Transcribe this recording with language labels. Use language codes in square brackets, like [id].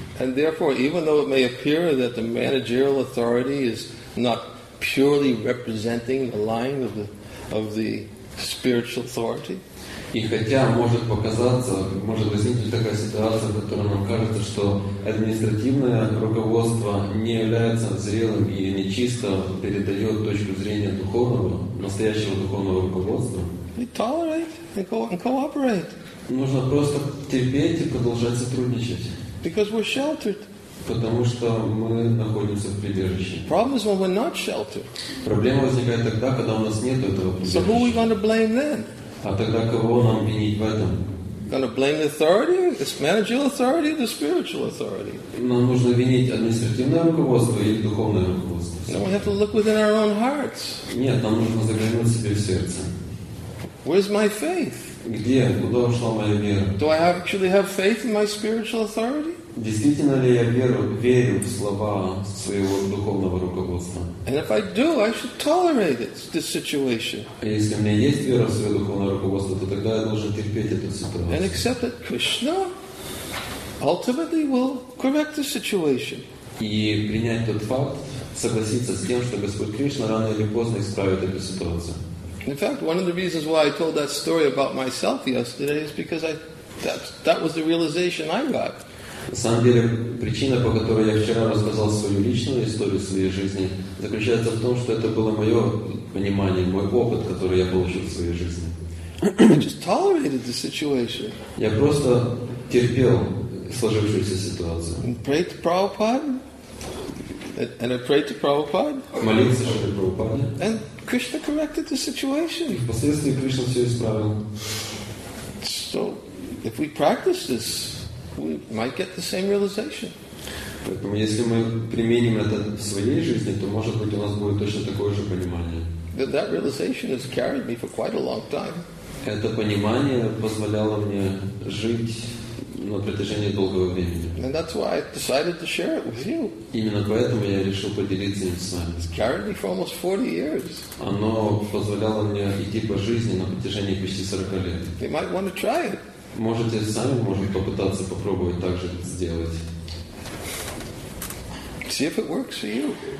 [en] And therefore, even though it may appear that the managerial authority is not purely representing the line of the spiritual authority. [ru] И хотя может показаться, может возникнуть такая ситуация, в которой нам кажется, что административное руководство не является зрелым и нечисто передает точку зрения духовного, настоящего духовного руководства. [en] We tolerate and cooperate. [ru] Нужно просто терпеть и продолжать сотрудничать. [en] Because we're sheltered. [ru] Потому что мы находимся в прибежище. [en] Problem is when we're not sheltered. [ru] Проблема возникает тогда, когда у нас нет этого прибежища. [en] So who are we going to blame then? [ru] А тогда кого нам винить в этом? [en] Gonna blame the authority, the managerial authority, the spiritual authority. [ru] Нам нужно винить административное руководство или духовное руководство. [en] We have to look within our own hearts. [ru] Нет, нам нужно заглянуть себе в сердце. [en] Where's my faith? [ru] Где? Куда ушла моя вера? [en] Do I actually have faith in my spiritual authority? [ru] Действительно ли я верю в слова своего духовного руководства? [en] And if I do, I should tolerate this situation. [ru] Если у меня есть вера в свое духовное руководство, то тогда я должен терпеть эту ситуацию. [en] And accept that Krishna ultimately will correct the situation. [ru] И принять тот факт, согласиться с тем, что Господь Кришна рано или поздно исправит эту ситуацию. [en] In fact, one of the reasons why I told that story about myself yesterday is because that was the realization I got. [ru] На самом деле, причина, по которой я вчера рассказал свою личную историю своей жизни, заключается в том, что это было мое понимание, мой опыт, который я получил в своей жизни. [en] I just tolerated the situation. [ru] Я просто терпел сложившуюся ситуацию. [en] And prayed to Prabhupada. And I prayed to Prabhupada. [ru] Молился Шри Прабхупаде. [en] And Krishna corrected the situation. [ru] И впоследствии Кришна все исправил. [en] So, if we practice this, we might get the same realization. [ru] Поэтому, если мы применим это в своей жизни, то, может быть, у нас будет точно такое же понимание. [en] That realization has carried me for quite a long time. [ru] Это понимание позволяло мне жить на протяжении долгого времени. [en] And that's why I decided to share it with you. [ru] Именно поэтому я решил поделиться им с вами. [en] It's carried me for almost 40 years. [ru] Оно позволяло мне идти по жизни на протяжении почти 40 лет. [en] You might want to try it. [ru] Можете сами, может, попытаться попробовать так же сделать. [en] See if it works for you.